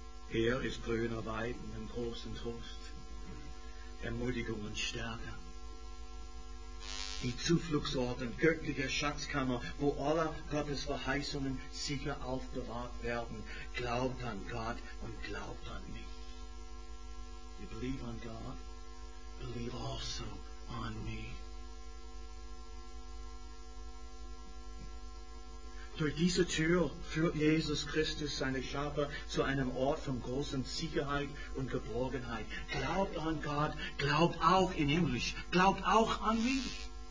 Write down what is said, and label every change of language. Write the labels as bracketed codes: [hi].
[de] Er ist grüner Weiden und großen Trost, Ermutigung und Stärke. Die Zufluchtsort und göttliche Schatzkammer, wo alle Gottes Verheißungen sicher aufbewahrt werden. Glaubt an Gott und glaubt an mich. [en] You believe on God, believe also on me. [de] Durch diese Tür führt Jesus Christus seine Schafe zu einem Ort von großer Sicherheit und Geborgenheit. Glaubt an Gott, glaubt auch in Himmlisch, glaubt auch an mich.